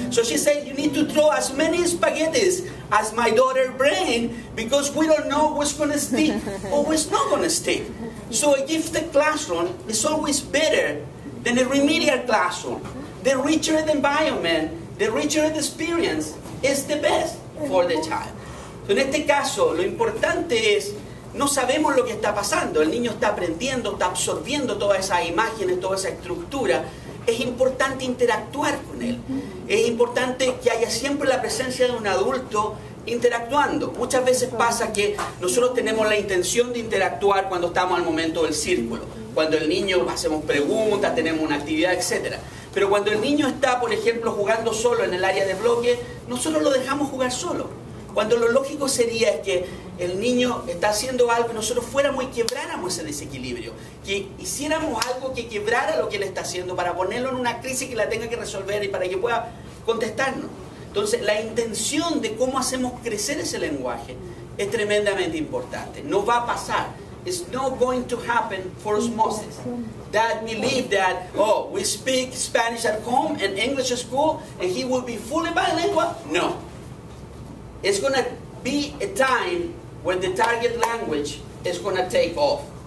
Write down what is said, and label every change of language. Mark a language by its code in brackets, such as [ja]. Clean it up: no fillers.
[en] So she said, you need to throw as many spaghettis as my daughter bring, because we don't know what's gonna stick or what's not gonna stick. So a gifted classroom is always better than a remedial classroom. The richer the environment, the richer the experience is the best for the child. [es] So en este caso, lo importante es, no sabemos lo que está pasando. El niño está aprendiendo, está absorbiendo todas esas imágenes, toda esa estructura. Es importante interactuar con él. Es importante que haya siempre la presencia de un adulto interactuando. Muchas veces pasa que nosotros tenemos la intención de interactuar cuando estamos al momento del círculo, cuando el niño, hacemos preguntas, tenemos una actividad, etc. Pero cuando el niño está, por ejemplo, jugando solo en el área de bloque, nosotros lo dejamos jugar solo. Cuando lo lógico sería es que el niño está haciendo algo y nosotros fuéramos y quebráramos ese desequilibrio, que hiciéramos algo que quebrara lo que él está haciendo para ponerlo en una crisis que la tenga que resolver y para que pueda contestarnos. Entonces, la intención de cómo hacemos crecer ese lenguaje es tremendamente importante. No va a pasar. [en] It's not going to happen for osmosis. Dad believed that, oh, we speak Spanish at home and English at school and he will be fully bilingual. No. It's going to be a time when the target language is going to take off.